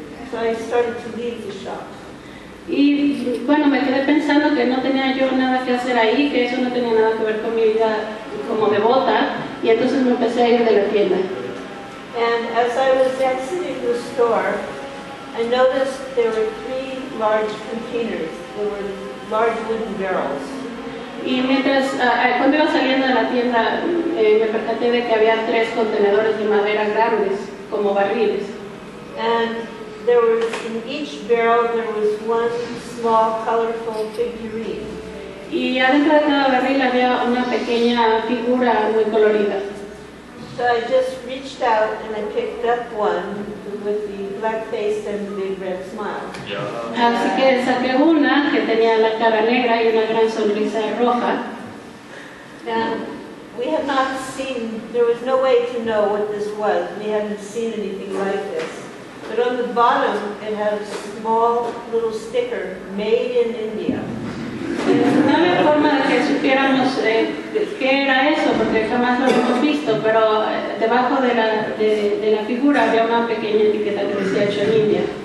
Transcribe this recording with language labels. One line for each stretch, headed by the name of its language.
English: So I started to leave the shop.
Spanish: Y bueno, me quedé pensando que no tenía yo nada que hacer ahí, que eso no tenía nada que ver con mi vida como devota, y entonces me empecé a ir de la tienda.
English: And as I was exiting the store, I noticed there were three large containers. There were large wooden barrels.
Spanish: Y mientras, cuando iba saliendo de la tienda, me percaté de que había tres contenedores de madera grandes, como barriles.
English: And there was, in each barrel, there was one small, colorful figurine.
Spanish: Y adentro de cada barril había una pequeña figura muy colorida.
English: So I just reached out and I picked up one with the black face and the big red smile. Yeah.
Spanish: Así que saqué una que tenía la cara negra y una gran sonrisa roja.
English: We had not seen, there was no way to know what this was. We hadn't seen anything like this. But on the bottom, it had a small little sticker, made in India.
Spanish: No había forma de que supiéramos qué era eso, porque jamás lo habíamos visto, pero debajo de la figura había una pequeña etiqueta que decía hecho en India.